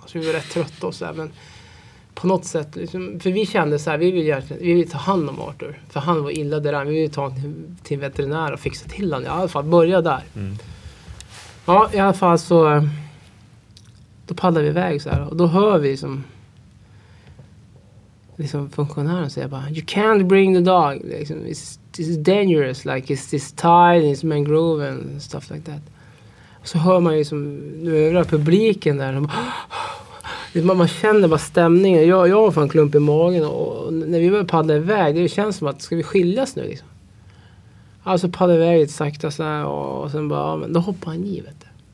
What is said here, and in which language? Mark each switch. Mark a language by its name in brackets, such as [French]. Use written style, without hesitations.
[Swedish] Alltså, vi var rätt trötta och så här, men på något sätt liksom, för vi kände så här, vi vill ta hand om Arthur. För han var illa där. Vi vill ta honom till veterinär och fixa till honom. I alla fall börja där. Mm. Ja, i alla fall så då paddlar vi iväg så här. Och då hör vi som liksom funktionären säger bara, you can't bring the dog. [English] Liksom, it's dangerous, like it's this tide, it's mangrove and stuff like that. [Swedish] Så hör man ju som övriga publiken där. Man känner bara stämningen. Jag har fan klump i magen. Och när vi började paddla iväg, det känns som att ska vi skiljas nu? Liksom. Alltså paddla iväg lite sakta så här, och sen bara, ja, men då hoppar han i, vet du.